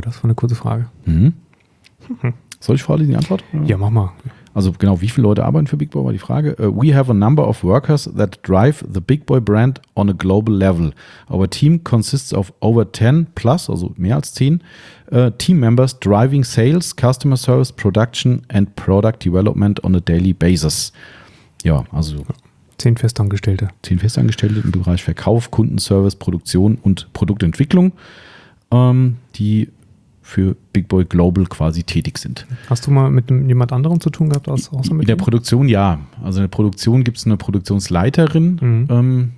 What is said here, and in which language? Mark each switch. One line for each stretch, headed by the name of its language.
German: Das war eine kurze Frage. Mhm. Soll ich vorlesen die Antwort? Ja, mach mal. Also genau, wie viele Leute arbeiten für Big Boy, war die Frage.
English: We have a number of workers that drive the Big Boy brand on a global level. Our team consists of over 10 plus,
German: also mehr als 10,
English: team members driving sales, customer service, production and product development on a daily basis.
German: Ja, also 10 Festangestellte. 10 Festangestellte im Bereich Verkauf, Kundenservice, Produktion und Produktentwicklung, die für Big Boy Global quasi tätig sind. Hast du mal mit jemand anderem zu tun gehabt? Außer mit in der ihm? Produktion, ja. Also in der Produktion gibt es eine Produktionsleiterin. Mhm.